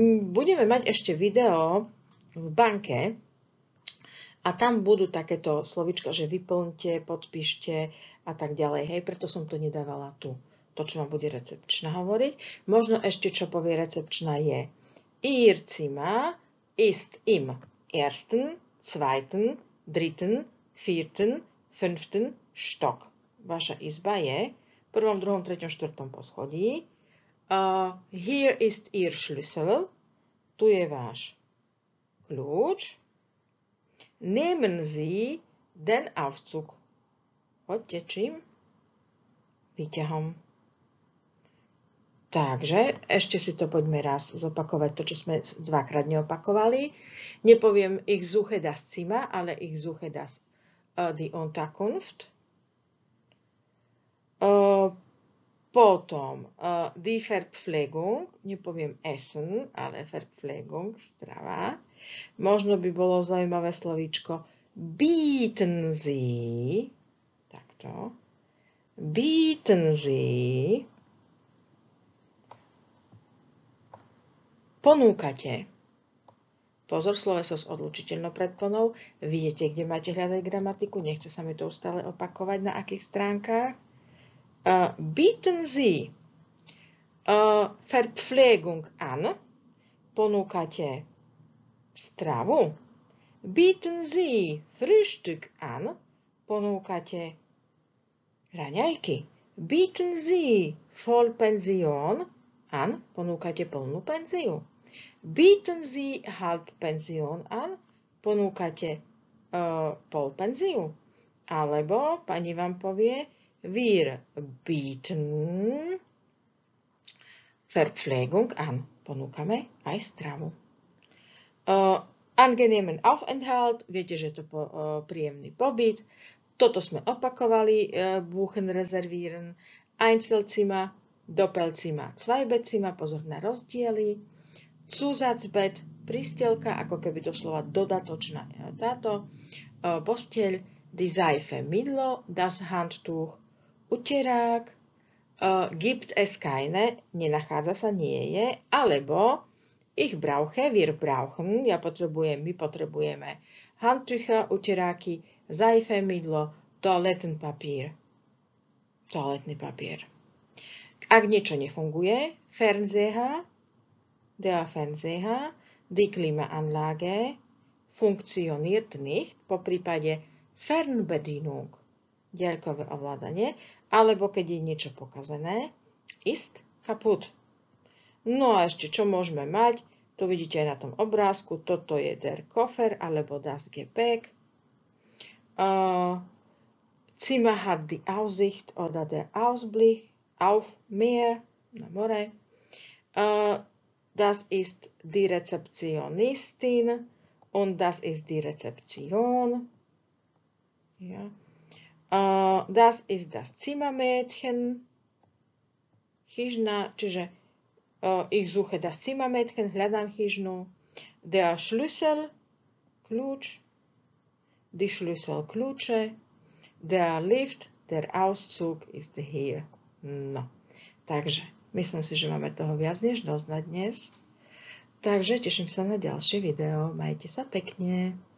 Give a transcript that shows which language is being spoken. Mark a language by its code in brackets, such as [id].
[sk] Budeme mať ešte video v banke a tam budú takéto slovička, že vyplňte, podpíšte a tak ďalej. Hej, preto som to nedávala tu. To, čo vám bude recepčná hovoriť. Možno ešte, čo povie recepčná, je [de] Ihr Zimmer ist im ersten, zweiten, dritten, vierten, fünften Stock. [sk] Vaša izba je v prvom, druhom, treťom, štvrtom poschodí. [en] Here is your [sk] Schlüssel. Tu je váš kľúč. [de] Nehmen Sie den Aufzug. [sk] Poďte čím? Výťahom. Takže ešte si to poďme raz zopakovať, to, čo sme dvakrát neopakovali. [de] Nepoviem ich suche das Zimmer, ale ich suche das die Unterkunft. [sk] Potom die Verpflegung, nepoviem Essen, ale Verpflegung, strava. Možno by bolo zaujímavé slovíčko bieten Sie, takto, bieten Sie, ponúkate. Pozor, sloveso s odlučiteľnou predponou. Viete, kde máte hľadať gramatiku? Nechce sa mi to stále opakovať na akých stránkach. [de] Bieten Sie Verpflegung an? [sk] Ponúkate stravu? [de] Bieten Sie Frühstück an? [sk] Ponúkate raňajky? [de] Bieten Sie Vollpension an? [sk] Ponúkate plnú penziu? [de] Bieten Sie Halbpension an? [sk] Ponúkate polpenziu? Alebo pani vám povie [de] Wir bieten Verpflegung an. [sk] Ponúkame aj stravu. [de] Angenehmen Aufenthalt. [sk] Viete, že je to príjemný pobyt. Toto sme opakovali. Buchen reservieren. [de] Einzelzimmer, Doppelzimmer, Zweibettzimmer. [sk] Pozor na rozdiely. Zusatzbett, prístielka, ako keby doslova dodatočná táto, posteľ, die Seife, mydlo, das Handtuch, utierák, gibt es keine, nenachádza sa, nie je, alebo [de] ich brauche, wir brauchen, [sk] ja potrebujem, my potrebujeme Handtücher, utieráky, Seife, mydlo, toaletenpapier, toaletný papier. Ak niečo nefunguje, Fernseher, der Fernseher, [de] die Klimaanlage funktioniert nicht, [sk] po prípade Fernbedienung, diaľkové ovládanie, alebo keď je niečo pokazené, ist kaputt. No a ešte, čo môžeme mať, to vidíte aj na tom obrázku, toto je der Koffer, alebo das Gepäck. [de] Zimmer hat die Aussicht oder der Ausblick auf Meer, [sk] na more. [de] Das ist die Rezeptionistin und das ist die Rezeption. Ja. Das ist das Zimmermädchen. [sk] Hižna, čiže [de] ich suche das Zimmermädchen, [sk] hľadám hižnu. [de] Der Schlüssel, kľúč. Die Schlüssel, kľúče. Der Lift, der Auszug ist hier. [sk] No. Takže, myslím si, že máme toho viac než dosť na dnes. Takže, teším sa na ďalšie video. Majte sa pekne.